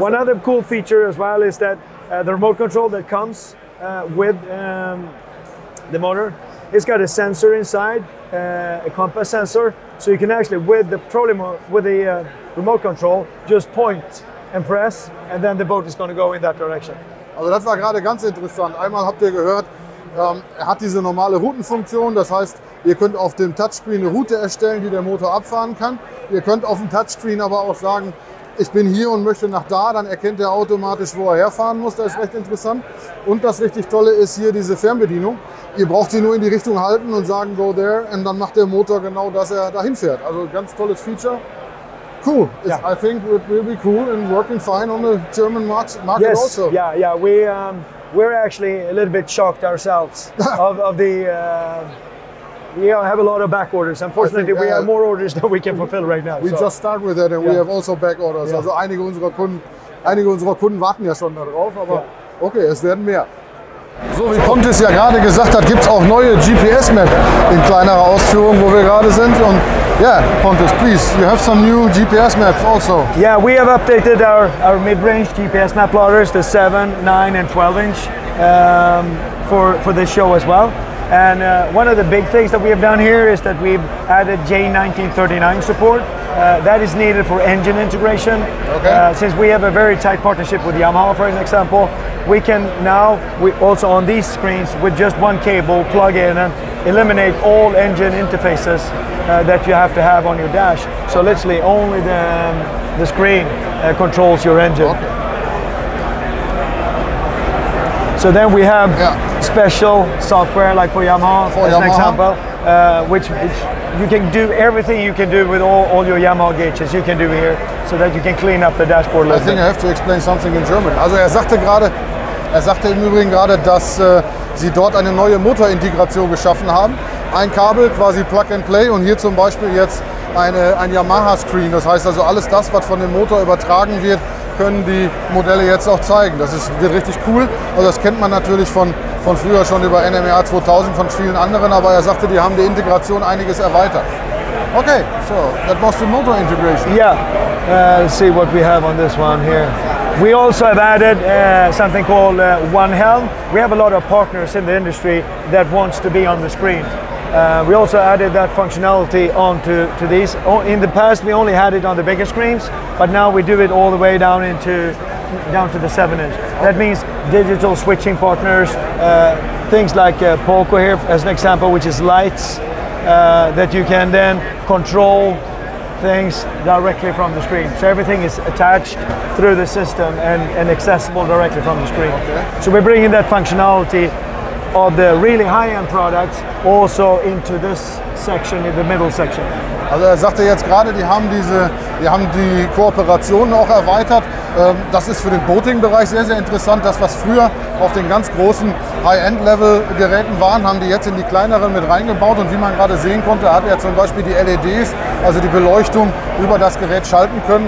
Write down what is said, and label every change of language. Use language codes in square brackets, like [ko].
[en] One other cool feature as well is that the remote control that comes with the motor, it's got a sensor inside, a compass sensor, so you can actually remote control just point and press, and then the boat is going to go in that direction. [de] Also, das war gerade ganz interessant. Einmal habt ihr gehört, hat diese normale Routenfunktion, das heißt, ihr könnt auf dem Touchscreen eine Route erstellen, die der Motor abfahren kann. Ihr könnt auf dem Touchscreen aber auch sagen, ich bin hier und möchte nach da, dann erkennt er automatisch, wo er herfahren muss. Das ist recht interessant. Und das richtig Tolle ist hier diese Fernbedienung. Ihr braucht sie nur in die Richtung halten und sagen, [en] go there, [de] und dann macht der Motor genau, dass er dahin fährt. Also ganz tolles Feature. Cool. [en] Yeah. I think it will be cool and working fine on the German market yes. also. Yeah. We're actually a little bit shocked ourselves of the... We have a lot of back orders. Unfortunately, we have more orders than we can fulfill right now. We just start with that and we have also back orders. [de] Yeah. Also einige unserer Kunden warten ja schon darauf, aber okay, es werden mehr. So, wie Pontus ja gerade gesagt hat, gibt es auch neue GPS-Map in kleinerer Ausführung, wo wir gerade sind. [en] Und yeah, Pontus, please, you have some new GPS-Maps also. Yeah, we have updated our mid-range GPS-Map plotters, the 7, 9 and 12-inch for this show as well. And one of the big things that we have done here is that we've added J1939 support. That is needed for engine integration. Okay. Since we have a very tight partnership with Yamaha, for an example, we can now, we also on these screens, with just one cable, plug in and eliminate all engine interfaces that you have to have on your dash. So literally only the screen controls your engine. Okay. So then we have special software, like for Yamaha, An example, which you can do everything you can do with all your Yamaha gauges, you can do here, so that you can clean up the dashboard a little bit. I think I have to explain something in German. [de] Also er sagte im Übrigen gerade, dass sie dort eine neue Motorintegration geschaffen haben. Ein Kabel, quasi Plug and Play, und hier zum Beispiel jetzt ein Yamaha-Screen. Das heißt also, alles das, was von dem Motor übertragen wird, können die Modelle jetzt auch zeigen. Das wird richtig cool. Also das kennt man natürlich von früher schon über NMEA 2000, von vielen anderen, aber er sagte, die haben die Integration einiges erweitert. [en] Okay, so, that was the motor integration. Yeah, let's see what we have on this one here. We also have added something called One Helm. We have a lot of partners in the industry that wants to be on the screen. We also added that functionality onto these. In the past, we only had it on the bigger screens, but now we do it all the way down to the 7-inch. That means digital switching partners, things like Poco here, as an example, which is lights, that you can then control things directly from the screen. So everything is attached through the system and accessible directly from the screen. Okay. So we're bringing that functionality of the really high-end products also into this section, in the middle section. [de] Also er sagte jetzt gerade, die haben die Kooperation auch erweitert. Das ist für den Boating-Bereich sehr, sehr interessant. Das, was früher auf den ganz großen High-End-Level-Geräten waren, haben die jetzt in die kleineren mit reingebaut. Und wie man gerade sehen konnte, hat er zum Beispiel die LEDs, also die Beleuchtung, über das Gerät schalten können.